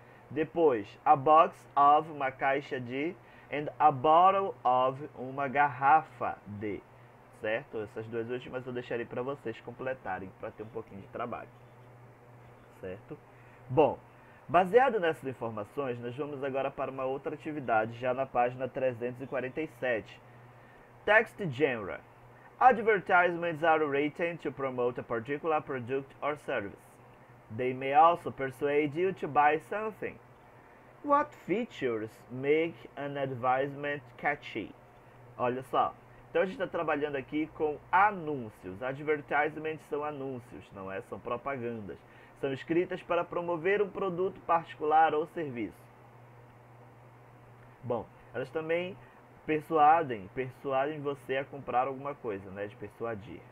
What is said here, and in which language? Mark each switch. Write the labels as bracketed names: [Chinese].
[Portuguese] Depois, [English] a box of, [Portuguese] uma caixa de, [English] and a bottle of, [Portuguese] uma garrafa de. Certo? Essas duas últimas eu deixarei para vocês completarem, para ter um pouquinho de trabalho. Certo? Bom, baseado nessas informações, nós vamos agora para uma outra atividade, já na página 347. [English] Text genre. Advertisements are written to promote a particular product or service. They may also persuade you to buy something. What features make an advertisement catchy? [Portuguese] Olha só. Então a gente está trabalhando aqui com anúncios. Advertisements são anúncios, não é? São propagandas. São escritas para promover um produto particular ou serviço. Bom, elas também persuadem você a comprar alguma coisa, né? De persuadir.